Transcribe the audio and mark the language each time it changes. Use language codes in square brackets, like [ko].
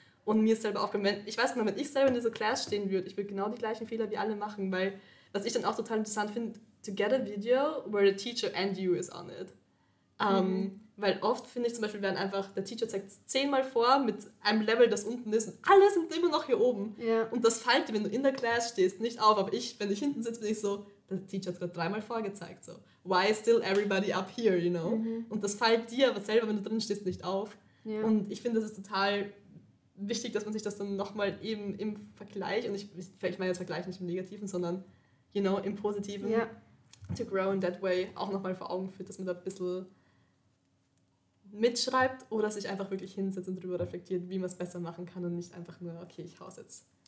[de] Und mir ist selber aufgefallen, ich weiß nicht, wenn ich selber in dieser Class stehen würde, ich würde genau die gleichen Fehler wie alle machen, weil, was ich dann auch total interessant finde, [en] to get a video where the teacher and you is on it. [de] Weil oft finde ich zum Beispiel, werden einfach, der Teacher zeigt 10-mal vor mit einem Level, das unten ist, und alle sind immer noch hier oben. Ja. Und das fällt dir, wenn du in der Class stehst, nicht auf. Aber ich, wenn ich hinten sitze, bin ich so, der Teacher hat gerade 3-mal vorgezeigt. [en] So, why is still everybody up here, you know? Mhm. [de] Und das fällt dir aber selber, wenn du drin stehst, nicht auf. Ja. Und ich finde, das ist total wichtig, dass man sich das dann nochmal eben im Vergleich, und ich meine jetzt Vergleich nicht im Negativen, sondern, you know, im Positiven, ja, [en] to grow in that way, [de] auch nochmal vor Augen führt, dass man da ein bisschen mitschreibt oder sich einfach wirklich hinsetzt und darüber reflektiert, wie man es besser machen kann und nicht einfach nur, okay, ich hau's jetzt,